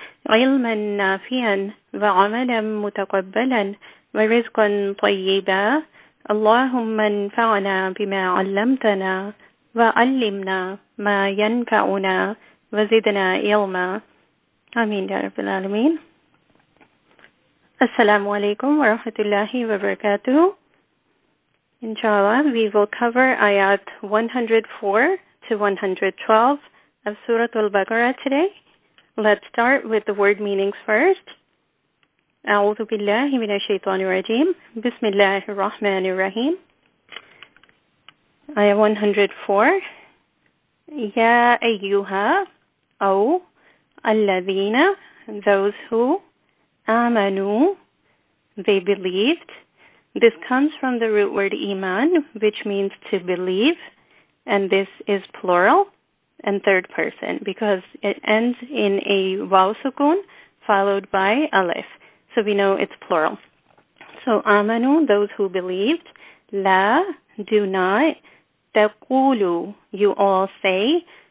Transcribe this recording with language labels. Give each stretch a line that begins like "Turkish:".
Arabic: علما نافعا وعملا متقبلا ورزقا طيبا اللهم انفعنا بما علمتنا وعلمنا ما ينفعنا وزدنا علما آمين يا رب العالمين. السلام عليكم ورحمة الله وبركاته. إن شاء الله
English: we will cover آيات 104 to 112 of سورة البقرة today. Let's start with the word meanings first.
Arabic: أعوذ بالله من الشيطان الرجيم بسم الله الرحمن الرحيم آية 104 يا أيها أو الذين
English: those who
Arabic: آمنوا
English: they believed. This comes from the root word إيمان which means to believe, and this is plural and third person because it ends in a واو سكون followed by ألف. So we know it's plural. So amanu, those who believed, la, do not, taqulu, you all say.